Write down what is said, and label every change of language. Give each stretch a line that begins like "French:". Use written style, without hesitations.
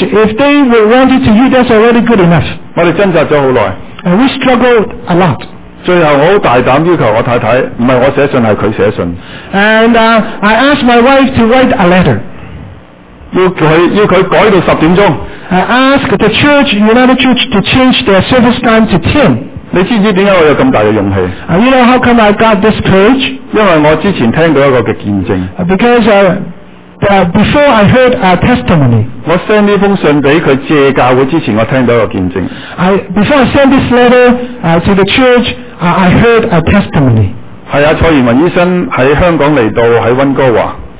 English: If they would want it to you, that's already good enough.
Chinese: 我们挣扎了很久。
English: And we struggled a lot.
Chinese: 最后我很大胆要求我太太，不是我写信，是她写信。
English: And I asked my wife to write a letter.
Chinese: 要他改到10点钟。
English: I asked the church, United Church, to change their service time to 10.
Chinese: 你知不知道为什么我有这么大的勇气？
English: You know how come I got this courage?
Chinese: 因为我之前听到一个见证。
English: Because before I heard a testimony.
Chinese: 我send这封信给他借教会之前，我听到一个见证。
English: Before I sent this letter to the church, I heard a testimony.
Chinese: 是啊，蔡元文医生在香港来到，在温哥华。